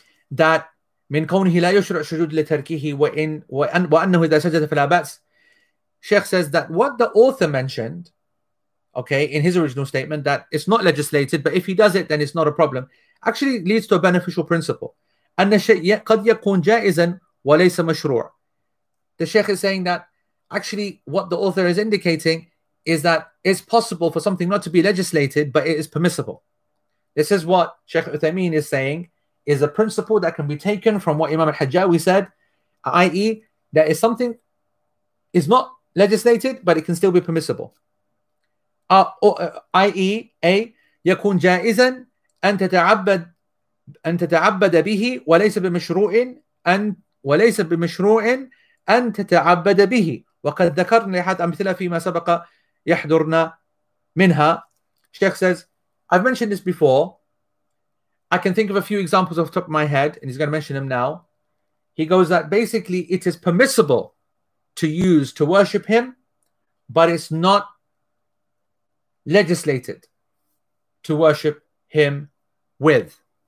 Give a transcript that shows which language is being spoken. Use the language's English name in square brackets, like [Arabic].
[Arabic] That من كونه لا يشرع سجود لتركه وأنه إذا سجد فلا بأس. [English] Sheikh says that what the author mentioned, okay, in his original statement, that it's not legislated, but if he does it, then it's not a problem, actually leads to a beneficial principle. [Arabic] أن الشيء قد يكون جائزا وليس مشروع. [English] The Sheikh is saying that actually what the author is indicating is that it's possible for something not to be legislated, but it is permissible. This is what Sheikh Uthaymeen is saying, is a principle that can be taken from what Imam al-Hajjawi said, i.e. that is something is not legislated, but it can still be permissible. [Arabic] i.e. يكون جائزا أن تتعبد أن تتعبد به وليس بمشروع أن تتعبد به. وقد ذكرنا أحد أمثلة فيما سبق يحضرنا منها. [English] Sheikh says, I've mentioned this before. I can think of a few examples off the top of my head, and he's going to mention them now. He goes that basically it is permissible to use to worship him, but it's not legislated to worship him with.